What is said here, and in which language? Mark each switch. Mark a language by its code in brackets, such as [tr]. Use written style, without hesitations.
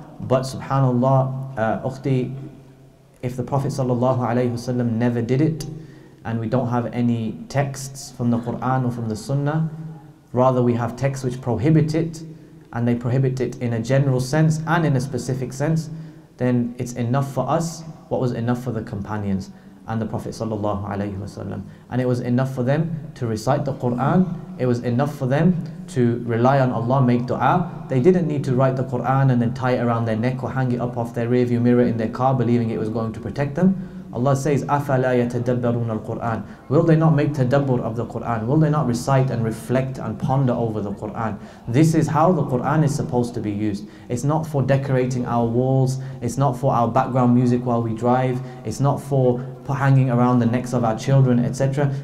[en] But subhanAllah, Ukhti, if the Prophet sallallahu alayhi wasallam never did it, and we don't have any texts from the Quran or from the Sunnah, rather we have texts which prohibit it, and they prohibit it in a general sense and in a specific sense, then it's enough for us what was enough for the companions and the Prophet sallallahu alayhi wasallam. And it was enough for them to recite the Quran. It was enough for them to rely on Allah, make dua. They didn't need to write the Quran and then tie it around their neck or hang it up off their rearview mirror in their car, believing it was going to protect them. [ar] Allah says, أَفَلَا يَتَدَبَّرُونَ الْقُرْآنَ. [en] Will they not make tadabbur of the Qur'an? Will they not recite and reflect and ponder over the Qur'an? This is how the Qur'an is supposed to be used. It's not for decorating our walls. It's not for our background music while we drive. It's not for hanging around the necks of our children, etc.